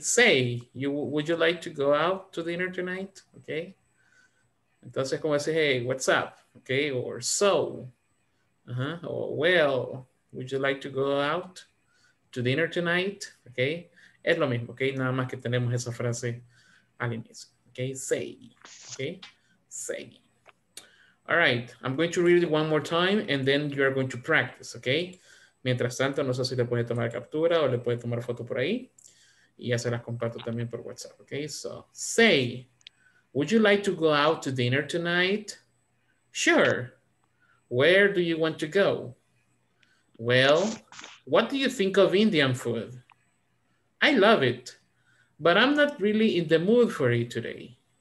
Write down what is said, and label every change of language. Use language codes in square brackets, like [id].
[en] Say, would you like to go out to dinner tonight? [es] ¿Ok? Entonces, como decir, [en] hey, what's up? [es] ¿Ok? Or so. Uh-huh. [en] Oh, well, would you like to go out to dinner tonight? [es] Okay, es lo mismo, okay? Nada más que tenemos esa frase al inicio. [en] Okay, say. Okay, say. All right, I'm going to read it one more time and then you are going to practice, okay? [es] Mientras tanto, no sé si le puede tomar captura o le puede tomar foto por ahí. Y ya se las comparto también por WhatsApp, okay? [en] So, say, would you like to go out to dinner tonight? Sure. Where do you want to go? Well, what do you think of Indian food? I love it, but I'm not really in the mood for it today.